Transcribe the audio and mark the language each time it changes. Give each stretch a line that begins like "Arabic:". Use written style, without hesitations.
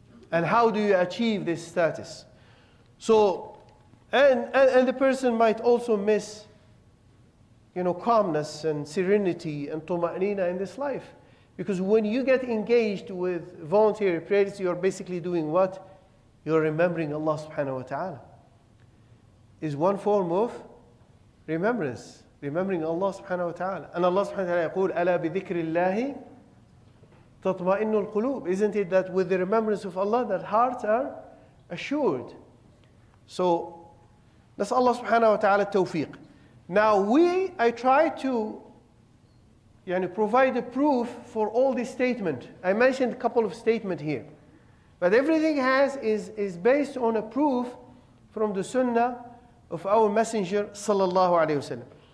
English: And how do you achieve this status? So, and the person might also miss, calmness and serenity and tuma'nina in this life. Because when you get engaged with voluntary prayers, you're basically doing what? You're remembering Allah subhanahu wa ta'ala. Is one form of remembrance. Remembering Allah subhanahu wa ta'ala. And Allah subhanahu wa ta'ala
Arabic: يقول أَلَا بِذِكْرِ اللَّهِ تَطْمَئِنُّ الْقُلُوبِ.
English: Isn't it that with the remembrance of Allah, that hearts are assured? So, that's Allah subhanahu wa ta'ala tawfiq. Now I try to provide a proof for all this statement. I mentioned a couple of statements here. But everything is based on a proof from the sunnah of our messenger sallallahu alayhi wa sallam.